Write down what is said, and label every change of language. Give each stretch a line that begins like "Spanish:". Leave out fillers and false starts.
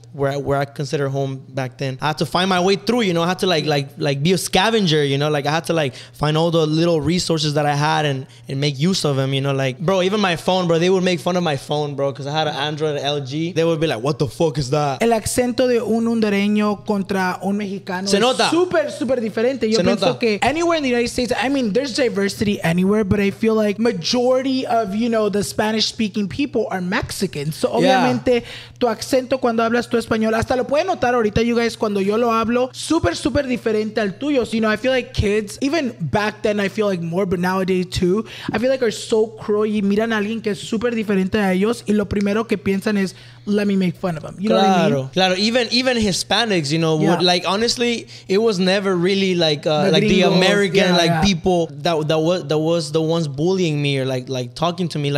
English: Where I consider home back then. I had to find my way through, you know. I had to, like be a scavenger, you know. Like, I had to, like, find all the little resources that I had and make use of them, you know. Like, bro, even my phone, bro, they would make fun of my phone, bro, because I had an Android LG. They would be like, what the fuck is that?
Spanish: El acento de un hondureño contra un mexicano. Se nota. Es super, super diferente. Yo Se pienso nota.
English: Que anywhere in the United States, I mean, there's diversity anywhere, but I feel like majority of, you know, the Spanish-speaking people are Mexican.
Spanish: So, obviamente, tu acento cuando hablas tu español, hasta lo pueden notar ahorita,
English: you guys,
Spanish: cuando yo lo hablo, super, super diferente al tuyo.
English: So, you know, I feel like kids, even back then, I feel like more, but nowadays too, I feel like are so cruel.
Spanish: Y miran a alguien que es super diferente a ellos y lo primero que piensan es,
English: let me make fun of them. You
Spanish: claro,
English: know what I mean?
Spanish: Claro,
English: even Hispanics, you know, would, like, honestly, it was never really like the American, people that was the ones bullying me or like talking to me.